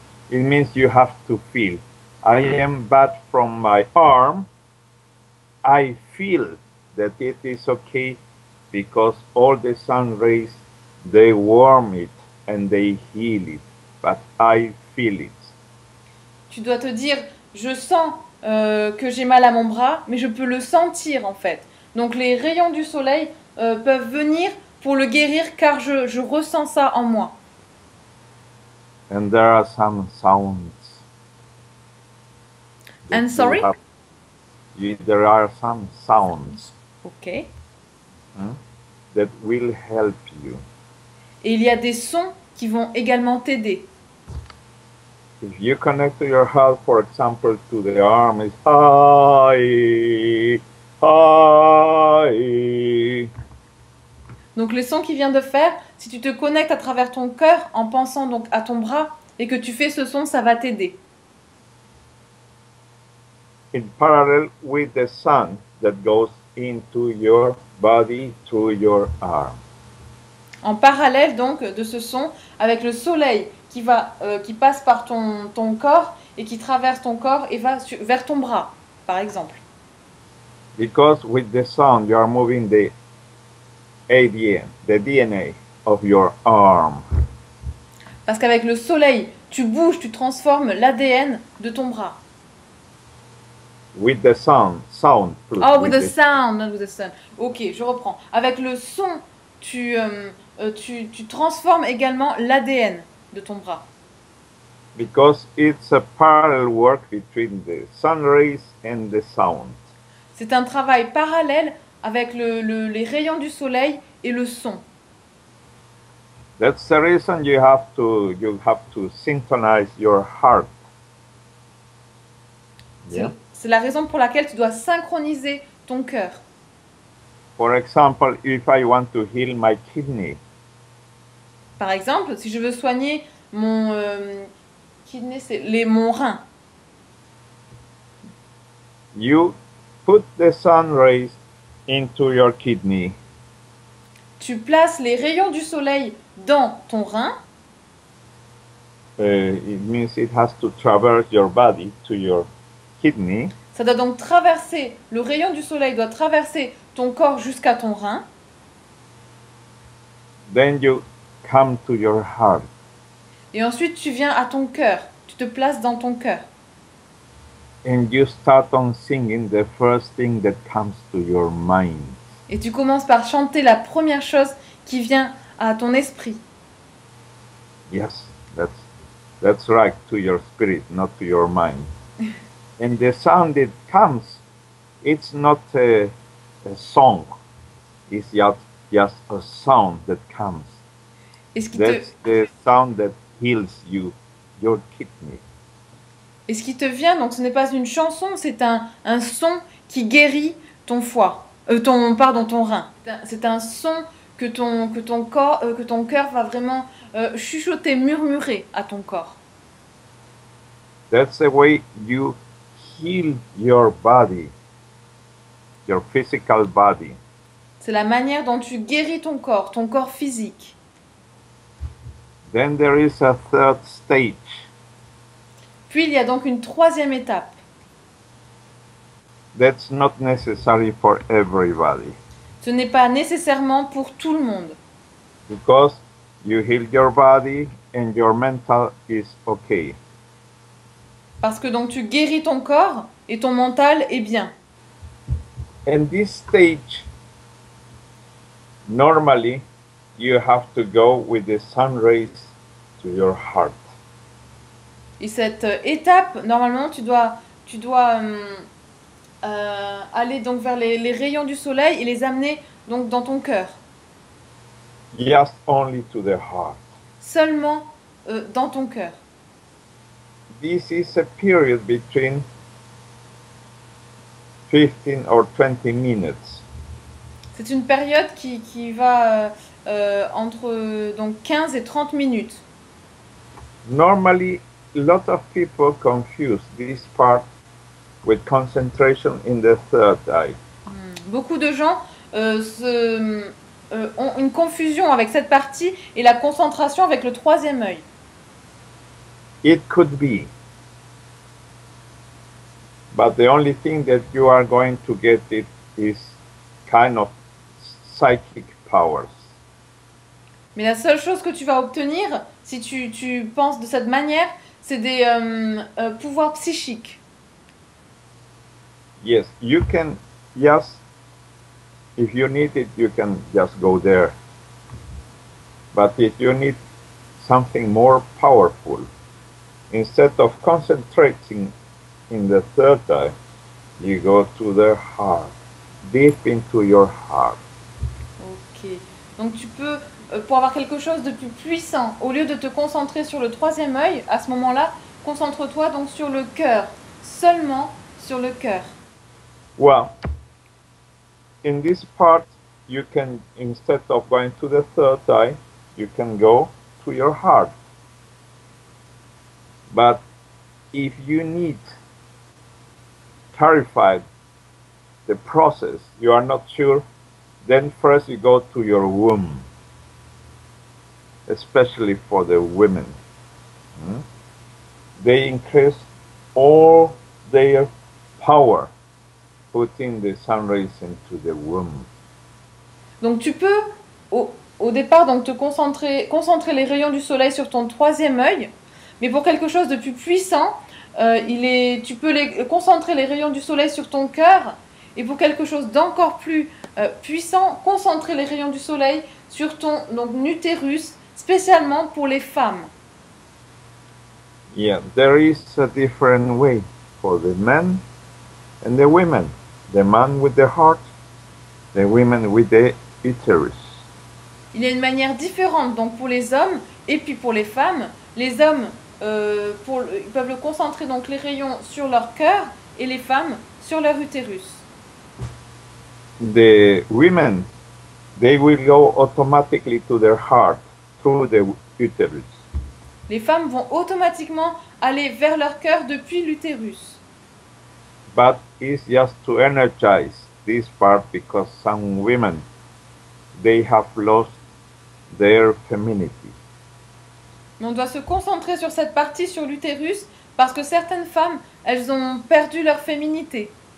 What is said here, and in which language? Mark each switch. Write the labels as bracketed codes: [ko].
[en] It means you have to feel. I am bad from my arm. I feel that it is okay because all the sun rays, they warm it and they heal it. But I feel it. [fr] Tu dois te dire, je sens que j'ai mal à mon bras, mais je peux le sentir en fait. Donc les rayons du soleil peuvent venir pour le guérir, car je ressens ça en moi. [en] And there are some sounds. And sorry? There are some sounds. Okay. That will help you. [fr] Et il y a des sons qui vont également t'aider. [en] If you connect your heart, for example, to the arm, it's I, I. [fr] Donc le son qu'il vient de faire, si tu te connectes à travers ton cœur en pensant donc à ton bras et que tu fais ce son, ça va t'aider. [en] In parallel with the sun that goes into your body through your arm. [fr] En parallèle donc de ce son avec le soleil qui passe par ton corps et qui traverse ton corps et va vers ton bras, par exemple. [en] Because with the sound you are moving the ADN, the DNA of your arm. [fr] Parce qu'avec le soleil, tu bouges, tu transformes l'ADN de ton bras. [en] With the sound. Oh, with the sound. [fr] Ok, je reprends. Avec le son, tu transformes également l'ADN de ton bras. [en] Because it's a parallel work between the sun rays and the sound. [fr] C'est un travail parallèle avec les rayons du soleil et le son. [en] That's the reason you have to synchronize your heart. [fr] Yeah. C'est la raison pour laquelle tu dois synchroniser ton cœur. [en] For example, if I want to heal my kidney. [fr] Par exemple, si je veux soigner mon kidney, c'est les mon rein. [en] You put the sun rays into your kidney. [fr] Tu places les rayons du soleil dans ton rein. [en] It means it has to traverse your body to your kidney. [fr] Ça doit donc traverser, le rayon du soleil doit traverser ton corps jusqu'à ton rein. [en] Then you come to your heart. [fr] Et ensuite tu viens à ton cœur, tu te places dans ton cœur. [en] And you start on singing the first thing that comes to your mind. [fr] Et tu commences par chanter la première chose qui vient à ton esprit. [en] Yes, that's right, to your spirit, not to your mind. And the sound that comes, it's not a song, it's just a sound that comes. That's the sound that heals you, your kidney. [fr] Et ce qui te vient, donc ce n'est pas une chanson, c'est un son qui guérit ton foie, ton rein. C'est un son que ton cœur va vraiment chuchoter, murmurer à ton corps. [en] That's the way you heal your body, your physical body. [fr] C'est la manière dont tu guéris ton corps physique. [en] Then there is a third stage. [fr] Puis il y a donc une troisième étape. [en] That's not necessary for everybody. [fr] Ce n'est pas nécessairement pour tout le monde. [en] Because you heal your body and your mental is okay. [fr] Parce que donc tu guéris ton corps et ton mental est bien. [en] And this stage, normally, you have to go with the sun rays to your heart. [fr] Et cette étape, normalement, tu dois aller donc vers les rayons du soleil et les amener donc dans ton cœur. [en] Yes, only to the heart. [fr] Seulement dans ton cœur. [en] This is a period between 15 or 20 minutes. [fr] C'est une période qui va entre donc 15 et 30 minutes. [en] Normally, a lot of people confuse this part with concentration in the third eye. [fr] Beaucoup de gens ont une confusion avec cette partie et la concentration avec le troisième œil. [en] It could be. But the only thing that you are going to get it is kind of psychic powers. [fr] Mais la seule chose que tu vas obtenir, si tu penses de cette manière, c'est des pouvoirs psychiques. [en] Yes, you can, yes, if you need it, you can just go there. But if you need something more powerful, instead of concentrating in the third eye, you go to the heart, deep into your heart. Ok. [fr] Donc tu peux, pour avoir quelque chose de plus puissant, au lieu de te concentrer sur le troisième œil, à ce moment-là, concentre-toi donc sur le cœur, seulement sur le cœur. [en] Well, in this part, you can, instead of going to the third eye, you can go to your heart. But if you need clarify the process, you are not sure, then first you go to your womb, especially for the women. They increase all their power putting the sun rays into the womb. [fr] Donc tu peux au départ donc te concentrer les rayons du soleil sur ton troisième œil, mais pour quelque chose de plus puissant, tu peux concentrer les rayons du soleil sur ton cœur, et pour quelque chose d'encore plus puissant, concentrer les rayons du soleil sur ton donc utérus, spécialement pour les femmes. [en] Yeah, there is a different way for the men and the women. The man with the heart, the women with the uterus. [fr] Il y a une manière différente donc pour les hommes et puis pour les femmes. Les hommes ils peuvent le concentrer donc les rayons sur leur cœur et les femmes sur leur utérus. [en] the women, they will go automatically to their heart through the uterus. [fr] Les femmes vont automatiquement aller vers leur cœur depuis l'utérus. [en] But it's just to energize this part because some women, they have lost their femininity. [fr] On doit se concentrer sur cette partie sur l'utérus parce que certaines femmes, elles ont perdu leur féminité.